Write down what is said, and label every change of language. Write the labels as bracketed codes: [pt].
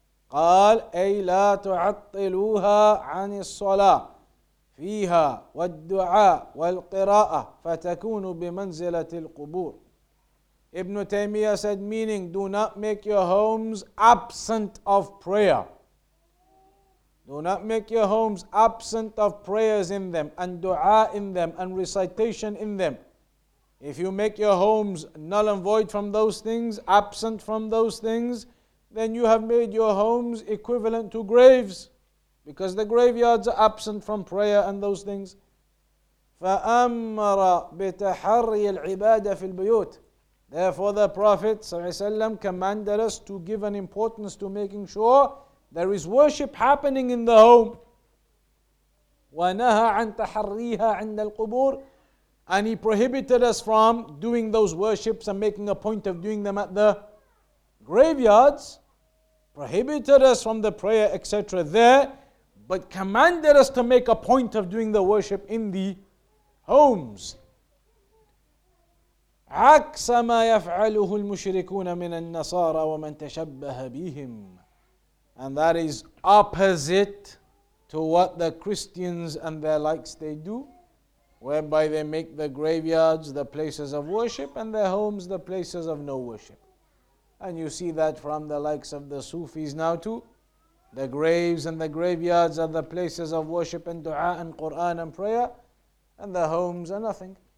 [ar] قال أي لا تعطلوها عن الصلاة فيها والدعاء والقراءة فتكون بمنزلة القبور. [en] Ibn Taymiyyah said, meaning, do not make your homes absent of prayer. Do not make your homes absent of prayers in them, and dua in them, and recitation in them. If you make your homes null and void from those things, absent from those things, then you have made your homes equivalent to graves, because the graveyards are absent from prayer and those things. [ar] فَأَمَّرَ بِتَحَرِّي الْعِبَادَ فِي الْبَيُوتِ. [en] Therefore the Prophet ﷺ commanded us to give an importance to making sure there is worship happening in the home. [ar] وَنَهَى عَنْ تَحَرِّيهَا عِنْدَ الْقُبُورِ. [en] And he prohibited us from doing those worships and making a point of doing them at the graveyards. Prohibited us from the prayer, etc. there, but commanded us to make a point of doing the worship in the homes. [ar] عكس ما يفعله المشركون من النصارى ومن تشبه بهم. [en] And that is opposite to what the Christians and their likes they do, whereby they make the graveyards the places of worship and their homes the places of no worship. And you see that from the likes of the Sufis now too. The graves and the graveyards are the places of worship and dua and Quran and prayer, and the homes are nothing.